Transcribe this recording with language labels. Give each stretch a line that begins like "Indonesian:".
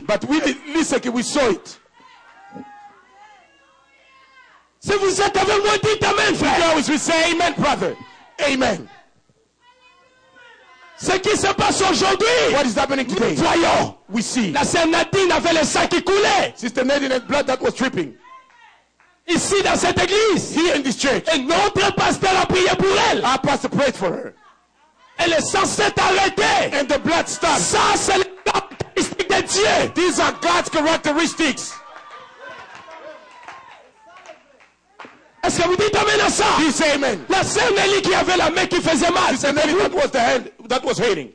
French: But we lis ce qui we saw it. Si vous êtes avec moi, dites amen, frère.
English: You always will say amen, brother. Amen.
French: Ce qui se passe aujourd'hui.
English: What is happening today?
French: Voyons.
English: We see.
French: La sœur Nadine avait le sang qui coulait.
English: Sister Nadine had blood that was dripping.
French: Ici, dans cette église.
English: Here in this church.
French: Et notre pasteur a prié pour elle.
English: Our pastor prayed for her.
French: Et le sang s'est arrêté.
English: And the blood stopped.
French: Ça, c'est les caractéristiques de Dieu.
English: These are God's characteristics.
French: Est-ce que vous dites amen à ça?
English: He said amen.
French: La sœur Nelly qui avait la main qui faisait mal.
English: He said Nelly, that was the hand that was hurting.